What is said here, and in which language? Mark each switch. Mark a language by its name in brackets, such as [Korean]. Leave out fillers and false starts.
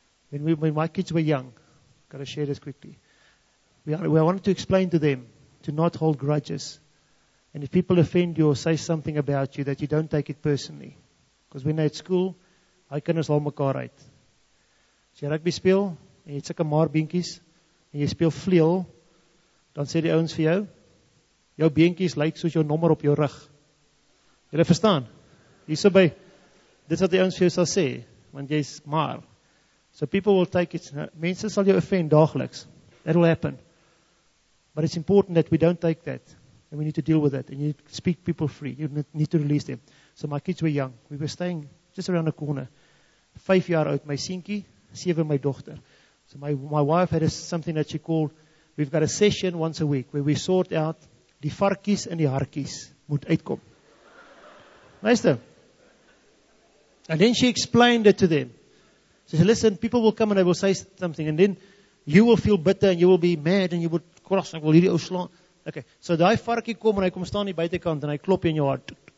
[English] When my kids were young, gotta share this quickly. We wanted to explain to them to not hold grudges. And if people offend you or say something about you, that you don't take it personally. Because when they're at school, [Afrikaans] hy kinders haal mekaar uit. As jy rugby speel, en jy het sulke maar beentjies, en jy speel vleel, dan sê die ouens vir jou, jou beentjies lyk soos jou nommer op jou rug. Julle verstaan? Hierso by, dit is wat die ouens vir jou sal sê, want jy is maar. [English] So people will take it, [Afrikaans] mense sal jou offend dagliks. [English] That will happen. But it's important that we don't take that. And we need to deal with that. And you speak people free. You need to release them. So my kids were young. We were staying just around the corner. 5 years old, my seentjie, 7 my dogter. So my wife had something that she called, we've got a session once a week where we sort out [Afrikaans] die varkies en die harkies moet uitkom. Luister. [English] And then she explained it to them. She said, listen, people will come and they will say something. And then you will feel bitter and you will be mad and you will cross. [Afrikaans] Ek wil hierdie ou slaan. Okay, so die varkie kom en hy kom staan die buitenkant en hy klop in jou hart.